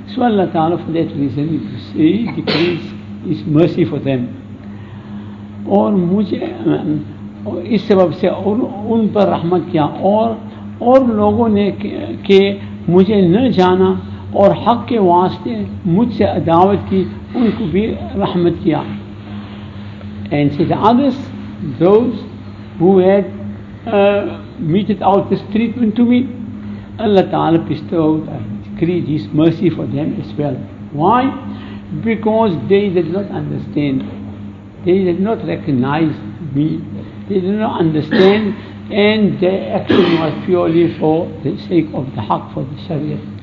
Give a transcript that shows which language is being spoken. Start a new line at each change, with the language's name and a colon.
English: So Allah Ta'ala for that reason you see decrees is mercy for them.
Urdu: اور مجھے اس سبب سے اور ان پر رحمت کیا اور لوگوں نے کہ مجھے نہ جانا اور حق کے واسطے مجھ سے عداوت کی ان کو بھی رحمت کیا.
English: And so the others, those who had meted out this treatment to me, Allah Ta'ala bestowed and decreed his mercy for them as well. Why? Because they did not understand, they did not recognize me, they did not understand, and their action was purely for the sake of the haq, for the shariat.